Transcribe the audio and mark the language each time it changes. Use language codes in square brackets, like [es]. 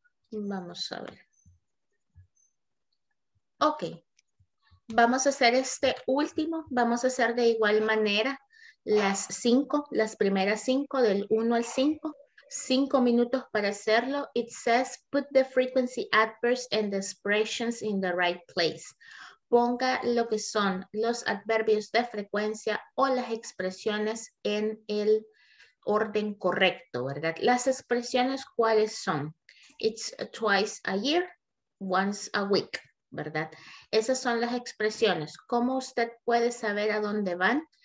[es] Vamos a ver. Ok. Vamos a hacer este último. Vamos a hacer de igual manera las cinco, las primeras cinco, del 1 al 5. 5 minutos para hacerlo. [en] It says, put the frequency adverbs and the expressions in the right place. [es] Ponga lo que son los adverbios de frecuencia o las expresiones en el orden correcto, ¿verdad? Las expresiones, ¿cuáles son? [en] It's twice a year, once a week, [es] ¿verdad? Esas son las expresiones. ¿Cómo usted puede saber a dónde van?